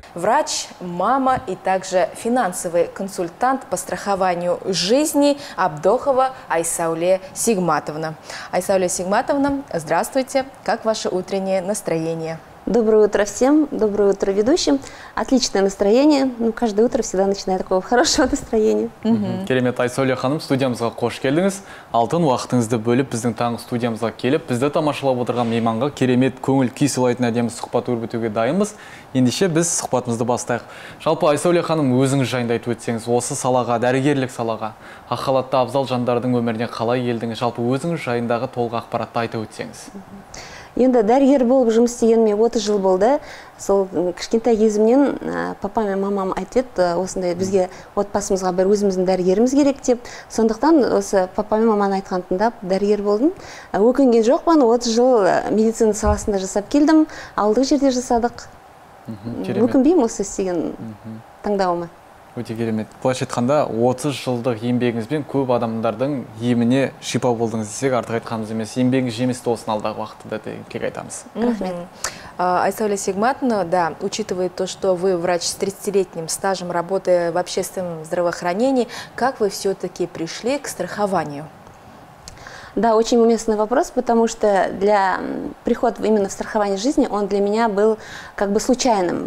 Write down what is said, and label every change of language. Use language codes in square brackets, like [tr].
[ru] Врач, мама и также финансовый консультант по страхованию жизни Абдохова Айсауле Сигматовна. Айсауле Сигматовна, здравствуйте, как ваше утреннее настроение? Доброе утро всем, доброе утро ведущим. Отличное настроение. Ну, каждое утро всегда начинаю такого хорошего настроения. [kk] Керемет Айсоли ханым, студиямызға қош келдіңіз. Алтын уақытыңызды бөліп, біздің таңғы студиямызға келіп, бізді тамашалап отырған мейманға керемет көңіл күй сыйлайтын әдемі сұхбат өрбітуге дайынбыз. Ендеше біз сұхбатымызды бастайық. Жалпы Айсоли ханым, өзіңіз жайында айтып өтсеңіз, осы салаға, дәрігерлік салаға, ақ халатты абзал жандардың өміріне қалай келдіңіз, жалпы өзіңіз жайындағы толық ақпаратты айта өтсеңіз. Енді дәрігер болып жұмыс істегеніме 30 жыл болды. Сол кішкентай кезімнен папа мен мамам айтты, осындай бізге отбасымызға бір өзіміздің дәрігеріміз керек деп. Сондықтан осы папа мен маманы айтқан тыңдап дәрігер болдым. Өкінген жоқпын, 30 жыл медицина саласында жасап келдім. Алдық жерде жасадық. Өкінбеймін осы істеген таңдауыма. Өте керемет. Былайша айтқанда 30 жылдық еңбегіңізбен көп адамдардың еміне шипа болдыңыз десек артық айтқанымыз емес. Еңбегіңіз жемісті болсын алдағы уақытта деген тілек айтамыз. Рахмет. [ru] Айсауля Сигматовна, да, учитывая то, что вы врач с 30-летним стажем работы в общественном здравоохранении, как вы все-таки пришли к страхованию? Да, очень уместный вопрос, потому что для прихода именно в страхование жизни, он для меня был как бы случайным.